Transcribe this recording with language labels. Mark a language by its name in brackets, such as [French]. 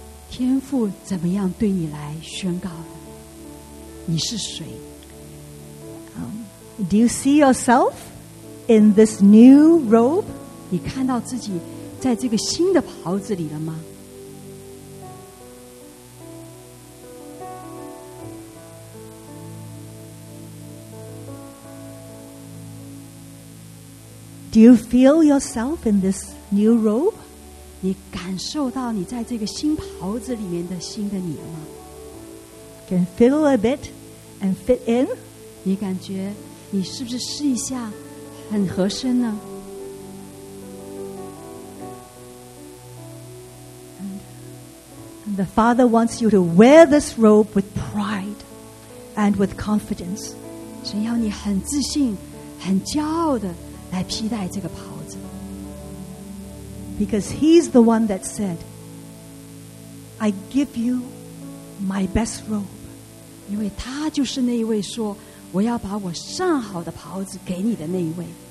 [Chinese] 天父怎么样对你来宣告的? 你是谁? [English] Do you see yourself in this new robe? [Chinese] 你看到自己在这个新的袍子里了吗? [English] Do you feel yourself in this new robe? [Chinese] 你感受到你在这个新袍子里面的新的你了吗? [English] Can fiddle a bit and fit in? [Chinese] 你感觉你是不是试一下很合身呢? [English] And the Father wants you to wear this robe with pride and with confidence. [Chinese] 只要你很自信,很骄傲的 来披戴这个袍子, [English] because he's the one that said, I give you my best robe. [Chinese] 因为他就是那一位说, 我要把我上好的袍子给你的那一位,